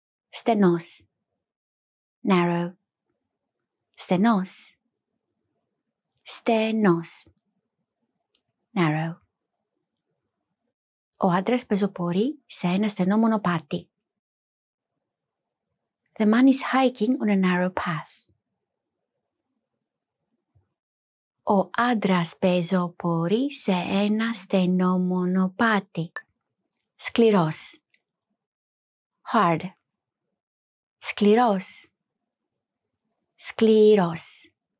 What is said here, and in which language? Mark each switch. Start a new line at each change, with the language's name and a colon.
Greek: Στενός.
English: Narrow.
Greek: Στενός. Στενός.
English: Narrow.
Greek: Ο άντρας πεζοπορεί σε ένα στενό μονοπάτι.
English: The man is hiking on a narrow path.
Greek: Ο άντρας πεζοπορεί σε ένα στενό μονοπάτι. Σκληρός.
English: Hard.
Greek: Σκληρός. Σκληρός.